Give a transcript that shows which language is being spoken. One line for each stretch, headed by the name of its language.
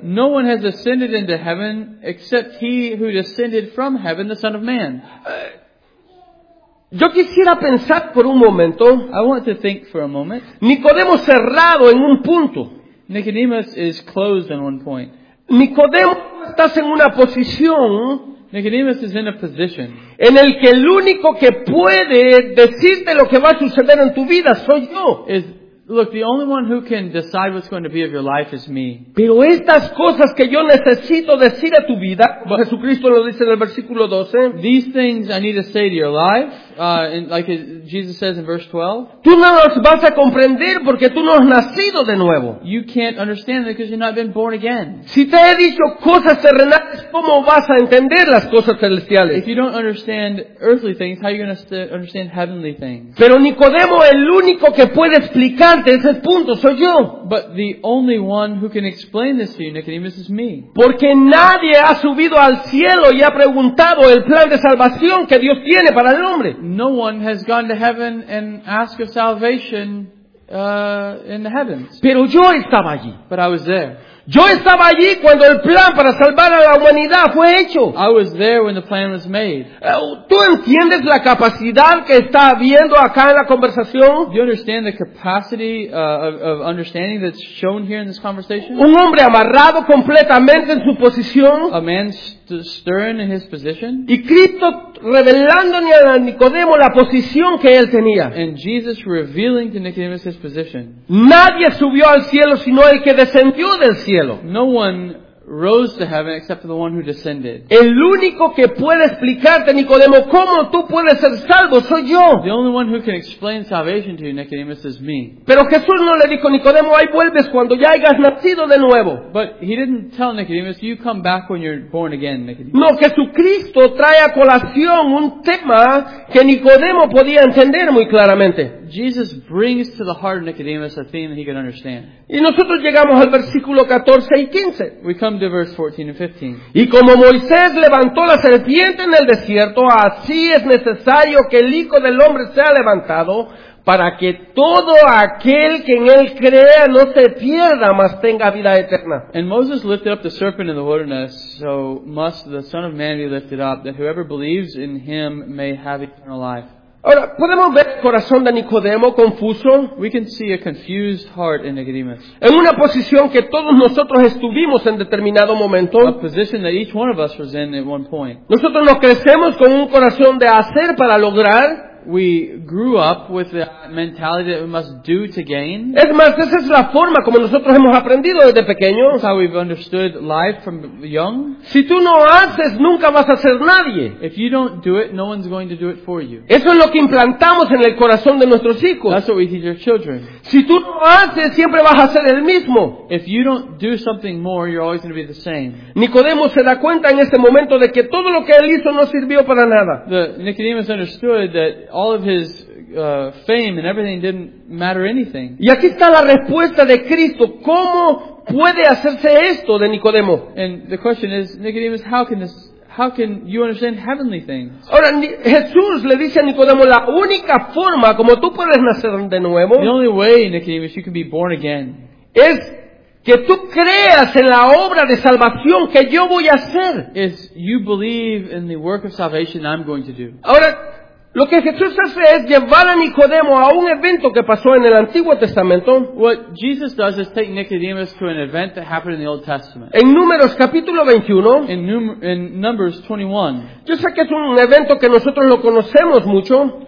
English: No one has ascended into heaven except he who descended from heaven, the Son of Man.
Spanish: Yo quisiera pensar por un momento.
English: I want to think for a moment.
Spanish: Nicodemo cerrado en un punto.
English: Nicodemus is closed in one point.
Spanish: Nicodemo, estás en una posición.
English: Nicodemus is in a position.
Spanish: En el que el único que puede decirte lo que va a suceder en tu vida soy yo.
English: Look, the only one who can decide what's going to be of your life is me.
Spanish: Pero estas cosas que yo necesito decir a tu vida, but Jesucristo lo dice en el versículo 12.
English: These things I need to say to your life, like Jesus says in verse 12.
Spanish: Tú no las vas a comprender porque tú no has nacido de nuevo.
English: You can't understand them because you've not been born again.
Spanish: Si te he dicho cosas terrenales, ¿cómo vas a entender las cosas celestiales?
English: If you don't understand earthly things, how are you going to understand heavenly things?
Spanish: Pero Nicodemo, el único que puede explicar ese punto soy yo.
English: But the only one who can explain this to you, Nicodemus, is me.
Spanish: Porque nadie ha subido al cielo y ha preguntado el plan de salvación que Dios tiene para el hombre.
English: No one has gone to heaven and asked of salvation in the heavens.
Spanish: Pero yo estaba allí.
English: But I was there.
Spanish: Yo estaba allí cuando el plan para salvar a la humanidad fue hecho.
English: I was there when the plan was made.
Spanish: ¿Tú entiendes la capacidad que está habiendo acá en la conversación?
English: Do you understand the capacity of understanding that's shown here in this conversation?
Spanish: Un hombre amarrado completamente en su posición.
English: A man stern in his position.
Spanish: Y Cristo revelándole a Nicodemo la posición que él tenía.
English: And Jesus revealing to Nicodemus his position.
Spanish: Nadie subió al cielo sino el que descendió del cielo.
English: No one rose to heaven except for the one who descended.
Spanish: El único que puede explicarte, Nicodemo, cómo tú puedes ser salvo, soy yo.
English: The only one who can explain salvation to you, Nicodemus, is me.
Spanish: Pero Jesús no le dijo, Nicodemo, ahí vuelves cuando ya hayas nacido de nuevo.
English: But he didn't tell Nicodemus, you come back when you're born again, Nicodemus.
Spanish: No, Jesucristo trae a colación un tema que Nicodemo podía entender muy claramente.
English: Jesus brings to the heart of Nicodemus a theme that he could understand.
Spanish: Y nosotros llegamos al versículo 14 y 15.
English: We come to verse 14 and 15.
Spanish: Y como Moisés levantó la serpiente en el desierto, así es necesario que el Hijo del Hombre sea levantado, para que todo aquel que en él crea no se pierda, mas tenga vida eterna.
English: And Moses lifted up the serpent in the wilderness, so must the Son of Man be lifted up, that whoever believes in him may have eternal life.
Spanish: Ahora, ¿podemos ver el corazón de Nicodemo confuso?
English: We can see a confused heart in Nicodemus.
Spanish: En una posición que todos nosotros estuvimos en determinado momento.
English: A position that each one of us was in at one point.
Spanish: Nosotros nos crecemos con un corazón de hacer para lograr.
English: We grew up with the mentality that we must do to gain.
Spanish: Es más, esa es la forma como nosotros hemos aprendido desde pequeños.
English: That's how we've understood life from young.
Spanish: Si tú no haces, nunca vas a ser nadie.
English: If you don't do it, no one's going to do it for you.
Spanish: Eso es lo que implantamos en el corazón de nuestros hijos.
English: That's what we teach our children.
Spanish: Si tú no haces, siempre vas a ser el mismo.
English: If you don't do something more, you're always going to be the same.
Spanish: Nicodemo se da cuenta en ese momento de que todo lo que él hizo no sirvió para nada.
English: Nicodemus understood that all of his fame and everything didn't matter anything.
Spanish: Y aquí está la respuesta de Cristo. ¿Cómo puede hacerse esto de Nicodemo?
English: And the question is, Nicodemus, how can you understand heavenly things?
Spanish: Ahora, Jesús le dice a Nicodemo, la única forma como tú puedes nacer de nuevo,
English: the only way, Nicodemus, you can be born again,
Spanish: es que tú creas en la obra de salvación que yo voy a hacer.
English: Is you believe in the work of salvation I'm going to do.
Spanish: Ahora, lo que Jesús hace es llevar a Nicodemo a un evento que pasó en el Antiguo Testamento.
English: What Jesus does is take Nicodemus to an event that happened in the Old Testament.
Spanish: En Números capítulo 21.
English: In Numbers 21.
Spanish: Yo sé que es un evento que nosotros lo conocemos mucho.